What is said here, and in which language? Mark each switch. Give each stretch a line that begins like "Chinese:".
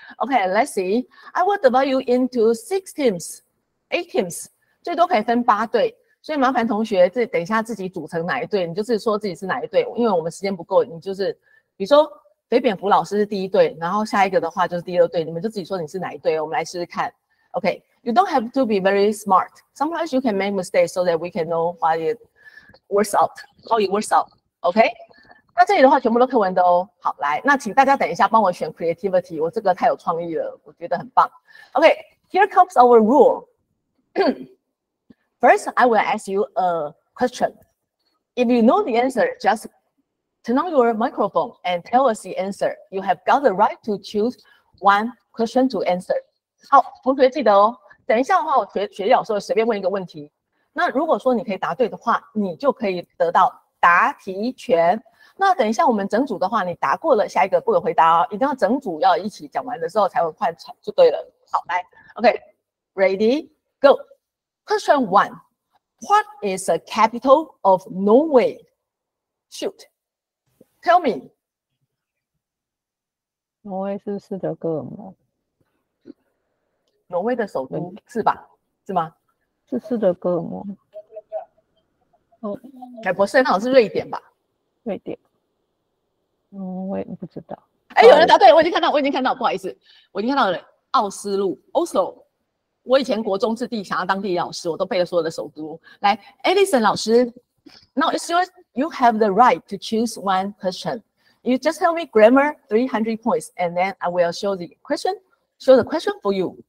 English: Okay, let's see. I will divide you into 6 teams, 8 teams.
Chinese: 最多可以分8队，所以麻烦同学自己等一下自己组成哪一队，你就是说自己是哪一队，因为我们时间不够，你就是比如说肥蝙蝠老师是第一队，然后下一个的话就是第二队，你们就自己说你是哪一队，我们来试试看。
English: OK, you don't have to be very smart. Sometimes you can make mistakes so that we can know why it works out, how it works out.
Chinese: OK, 那这里的话全部都课文的哦。好，来，那请大家等一下帮我选 creativity, 我这个太有创意了，我觉得很棒。
English: OK, here comes our rule. First, I will ask you a question. If you know the answer, just turn on your microphone and tell us the answer. You have got the right to choose one question to answer.
Chinese: 好，同学记得哦。等一下的话，我学老师随便问一个问题。那如果说你可以答对的话，你就可以得到答题权。那等一下我们整组的话，你答过了，下一个不可回答哦。一定要整组要一起讲完的时候才会换场就对了。好，来
English: ，OK, ready, go. Question one, what is the capital of Norway? Shoot, tell me.
Chinese: Norway 是斯德哥尔摩。挪威的首都是吧？是吗？是斯德哥尔摩。哎，不是，那好像是瑞典吧？瑞典。我也不知道。有人答对，我已经看到，不好意思，我已经看到了奥斯陆 ，Oslo。我以前国中自地想要当地理老师，我都背了所有的首都。来
English: ，Alison 老师 ，Now it's your, you have the right to choose one question. You just tell me grammar 300 points, and then I will show the question for you.